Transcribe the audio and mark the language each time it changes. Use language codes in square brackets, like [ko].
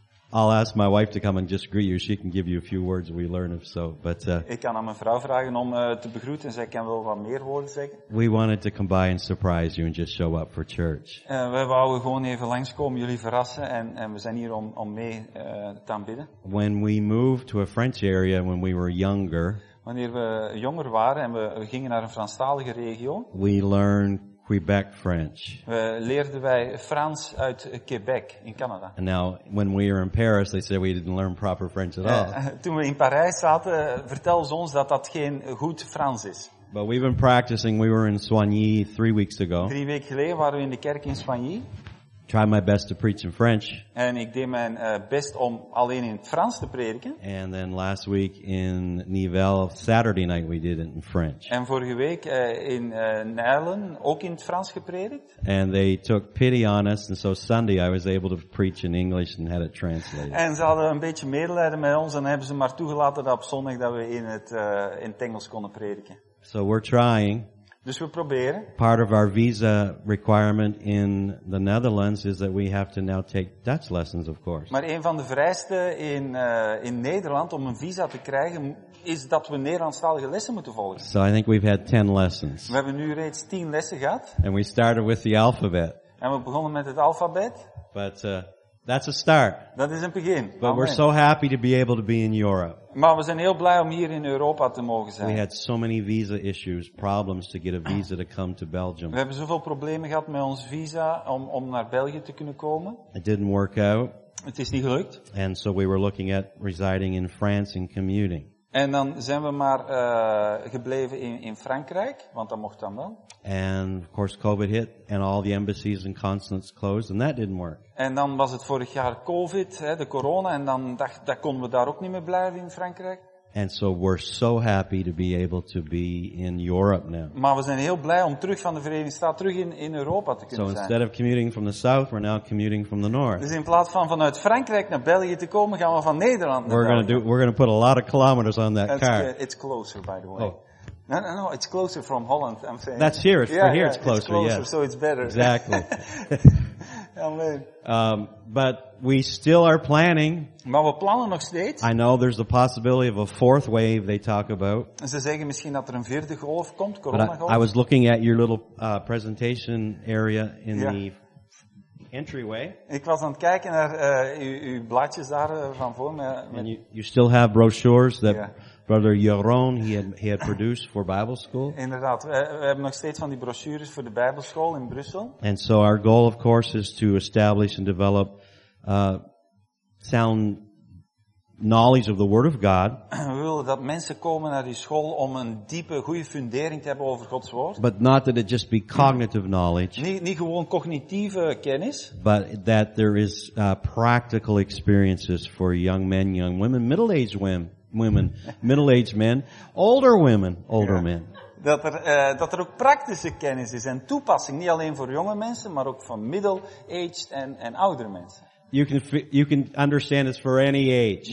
[en] I'll ask my wife to come and just greet you. She can give you a few words we learn if so. But [nl] ik kan aan mijn vrouw vragen om te begroeten. Zij kan wel wat meer woorden zeggen. [en] We wanted to come by and surprise you and just show up for church. [nl] We wouden gewoon even langskomen, jullie verrassen, en we zijn hier om mee te aanbidden. [en] When we moved to a French area when we were younger. [nl] Wanneer we jonger waren en we gingen naar een Franstalige regio. [en] We learned Quebec French. [nl] We leerden wij Frans uit Quebec in Canada. [en] And now, when we were in Paris, they said we didn't learn proper French at all. [nl] Toen we in Parijs zaten, vertelden ze ons dat geen goed Frans is. [en] But we've been practicing. We were in Soigny 3 weeks ago. [nl] 3 weken geleden waren we in de kerk in Soigny. [en] Tried my best to preach in French. [nl] En ik deed mijn best om alleen in het Frans te prediken. [en] And then last week in Nivelles, Saturday night, we did it in French. [nl] En vorige week in Nijlen ook in het Frans gepredikt. [en] And they took pity on us, and so Sunday I was able to preach in English and had it translated. [nl] En ze hadden een beetje medelijden met ons en hebben ze maar toegelaten dat op zondag dat we in het Engels konden prediken. [en] So we're trying. [nl] Dus we proberen. [en] Part of our visa requirement in the Netherlands is that we have to now take Dutch lessons, of course. [nl] Maar een van de vereisten in Nederland om een visa te krijgen is dat we Nederlandstalige lessen moeten volgen. [en] So I think we've had 10 lessons. [nl] We hebben nu reeds 10 lessen gehad. [en] And we started with the alphabet. [nl] En we begonnen met het alfabet. [en] But that's a start. [nl] Dat is een begin. [en] But Amen. We're so happy to be able to be in Europe. [nl] Maar we zijn heel blij om hier in Europa te mogen zijn. [en] We had so many visa issues, problems to get a visa to come to Belgium. [nl] We hebben zoveel problemen gehad met ons visa om naar België te kunnen komen. [en] It didn't work out. [nl] Het is niet gelukt. [en] And so we were looking at residing in France and commuting. [nl] En dan zijn we maar gebleven in Frankrijk, want dan mocht dan wel. [en] And of course COVID hit and all the embassies and consulates closed and that didn't work. [nl] En dan was het vorig jaar COVID, de corona, en dan dat konden we daar ook niet meer blijven in Frankrijk. [en] And so we're so happy to be able to be in Europe now. [nl] Maar we zijn heel blij om terug van de Verenigde Staten terug in Europa te kunnen zijn. [en] So instead of commuting from the south, we're now commuting from the north. [nl] Dus in plaats van vanuit Frankrijk naar België te komen, gaan we van Nederland naar België. [en] We're going to put a lot of kilometers on that car. It's closer, by the way. Oh. No, it's closer from Holland, I'm saying. That's here, yeah, it's closer, yes. It's closer, so it's better. Exactly. Amen. But we still are planning. [nl] Maar we plannen nog steeds. [en] I know there's the possibility of a fourth wave they talk about. [nl] Ze zeggen misschien dat er een vierde golf komt, coronagolf. [en] But I was looking at your little presentation area in the entryway. [nl] Ik was aan het kijken naar uw blaadjes daar van voor me. [en] And you still have brochures that... Yeah. Brother Jeroen, he had produced for Bible school. [nl] Inderdaad, we hebben nog steeds van die brochures voor de Bijbelschool in Brussel. [en] And so our goal, of course, is to establish and develop sound knowledge of the Word of God. [nl] We willen dat mensen komen naar die school om een diepe, goede fundering te hebben over Gods woord. [en] But not that it just be cognitive knowledge. [nl] Niet gewoon cognitieve kennis. [en] But that there is practical experiences for young men, young women, middle-aged women. Women, middle-aged men, older men. [nl] Dat er ook praktische kennis is en toepassing, niet alleen voor jonge mensen, maar ook van middle-aged en oudere mensen. [en] You can understand it's for any age.